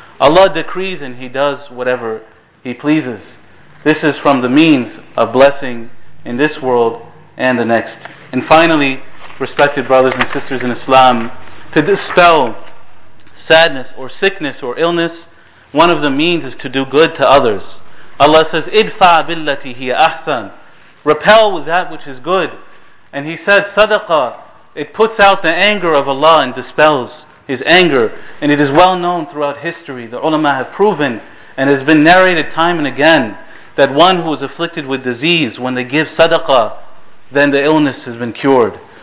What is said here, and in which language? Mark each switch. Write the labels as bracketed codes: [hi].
[en] Allah decrees and He does whatever He pleases. This is from the means of blessing in this world and the next. And finally, respected brothers and sisters in Islam, to dispel sadness or sickness or illness, one of the means is to do good to others. Allah says, [ar] اِدْفَعْ بِالَّتِي هِيَ أَحْسَنْ. [en] Repel with that which is good. And He said, صَدَقَةً. It puts out the anger of Allah and dispels His anger. And it is well known throughout history, the ulama have proven and has been narrated time and again, that one who is afflicted with disease, when they give sadaqah, then the illness has been cured.